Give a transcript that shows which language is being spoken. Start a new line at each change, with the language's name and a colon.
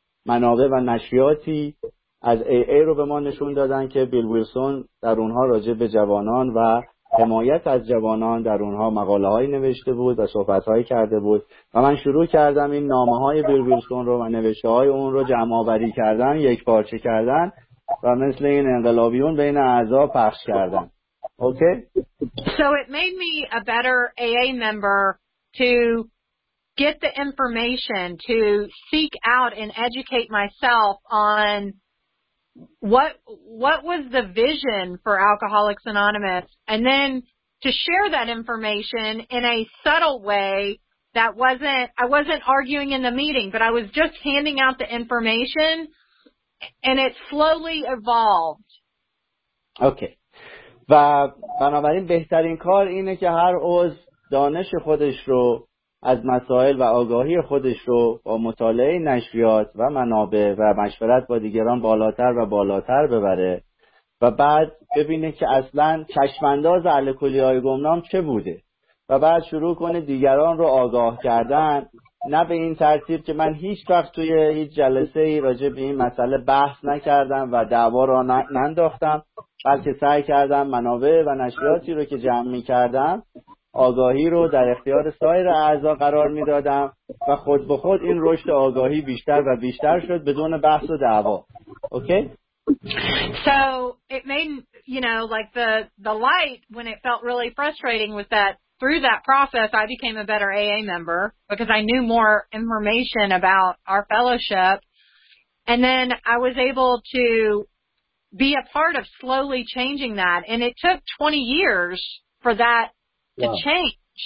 Persian: منابع و نشریاتی از AA رو به ما نشون دادن که بیل ویلسون در اونها راجع به جوانان و حمایت از جوانان در اونها مقاله هایی نوشته بود و صحبت هایی کرده بود و من شروع کردم این نامه های بیل ویلسون رو و نوشته های اون رو جمع آوری کردن یک پارچه کردن و مثل این انقلابیون بین اعضا پخش کردن اوکی؟
English: So it made me a better AA member to get the information to seek out and educate myself on What was the vision for Alcoholics Anonymous? And then to share that information in a subtle way that wasn't, I wasn't arguing in the meeting, but I was just handing out the information and it slowly evolved. Okay.
Persian: و بنابراین بهترین کار اینه که هر عضو دانش خودش رو از مسائل و آگاهی خودش رو با مطالعه نشریات و منابع و مشورت با دیگران بالاتر و بالاتر ببره و بعد ببینه که اصلاً چشم‌انداز الکلی‌های گمنام چه بوده و بعد شروع کنه دیگران رو آگاه کردن نه به این ترتیب که من هیچ وقت توی هیچ جلسه‌ای راجع به این مسئله بحث نکردم و دعوا را ننداختم بلکه سعی کردم منابع و نشریاتی رو که جمع می‌کردم آگاهی رو در اختیار سایر اعضا قرار می دادم و خود به خود این رشد آگاهی بیشتر و بیشتر شد بدون بحث و دعوا.
English: Okay? So it made, you know, like the light when it felt really frustrating was that through that process I became a better AA member because I knew more information about our fellowship and then I was able to be a part of slowly changing that and it took 20 years for that to change.